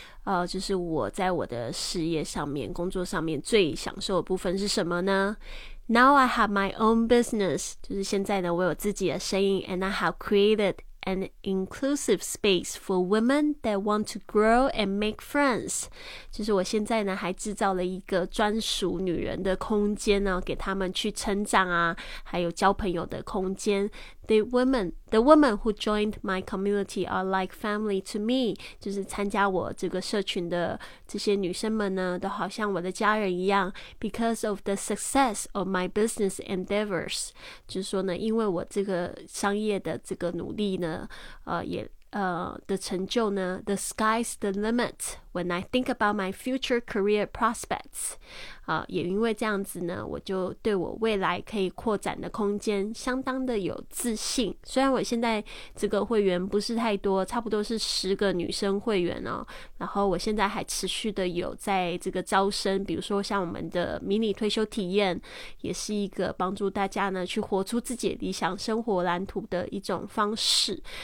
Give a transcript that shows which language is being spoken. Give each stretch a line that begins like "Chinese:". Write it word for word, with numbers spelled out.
Chinese: 呃，就是我在我的事业上面、工作上面最享受的部分是什么呢？
English: Now I have my own business.
Chinese: 就是现在呢，我有自己的生意
English: and I have created an inclusive space for women that want to grow and make friends.
Chinese: 就是我现在呢，还制造了一个专属女人的空间呢，给她们去成长啊，还有交朋友的空间。
English: The women, the women who joined my community are like family to me.
Chinese: 就是参加我这个社群的这些女生们呢，都好像我的家人一样。
English: Because of the success of my business endeavors,
Chinese: 就是说呢，因为我这个商业的这个努力呢，呃，也呃的成就呢 ，
English: the sky's the limit. When I think about my future career prospects.
Chinese: 啊，也因为这样子呢，我就对我未来可以扩展的空间相当的有自信。虽然我现在这个会员不是太多，差不多是十个女生会员哦。然后我现在还持续的有在这个招生，比如说像我们的迷你退休体验，也是一个帮助大家呢去活出自己的理想生活蓝图的一种方式。